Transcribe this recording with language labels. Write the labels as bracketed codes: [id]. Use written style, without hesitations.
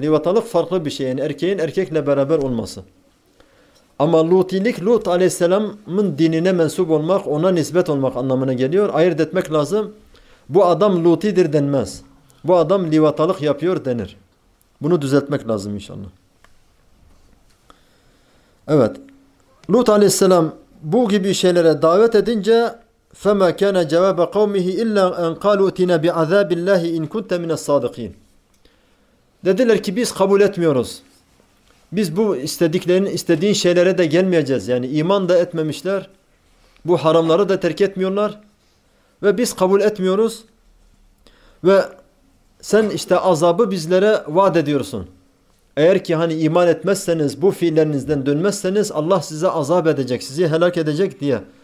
[tr] Livatalık farklı bir şey. Yani erkeğin erkekle beraber olması. Ama Lutilik, Lut Aleyhisselam'ın dinine mensup olmak, ona nispet olmak anlamına geliyor. Ayırt etmek lazım. Bu adam Luti'dir denmez. Bu adam livatalık yapıyor denir. Bunu düzeltmek lazım inşallah. Evet. Lut Aleyhisselam bu gibi şeylere davet edince [ar] فَمَا كَانَ جَوَابَ قَوْمِهِ اِلَّا اَنْ قَالُوا اُتِنَا بِعَذَابِ اللّٰهِ اِنْ كُنْتَ مِنَ الصَّادِقِينَ [tr] Dediler ki biz kabul etmiyoruz. Biz bu istediğin şeylere de gelmeyeceğiz. Yani iman da etmemişler. Bu haramları da terk etmiyorlar. Ve biz kabul etmiyoruz. Ve sen işte azabı bizlere vaat ediyorsun. Eğer ki hani iman etmezseniz, bu fiillerinizden dönmezseniz Allah size azap edecek, sizi helak edecek diye.